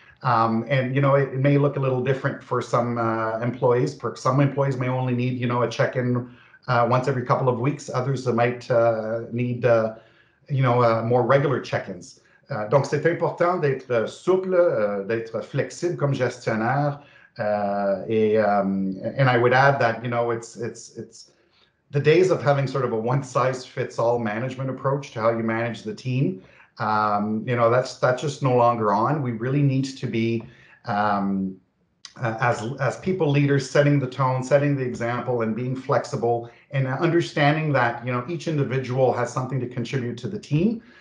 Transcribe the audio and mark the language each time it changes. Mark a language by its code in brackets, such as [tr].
[en] It may look a little different for some employees. Some employees may only need, you know, a check-in once every couple of weeks. Others might need, more regular check-ins. [fr] Donc, c'est important d'être souple, d'être flexible comme gestionnaire. [en] And I would add that, you know, it's the days of having sort of a one-size-fits-all management approach to how you manage the team. That's just no longer on. We really need to be, as people leaders, setting the tone, setting the example, and being flexible, and understanding that, you know, each individual has something to contribute to the team.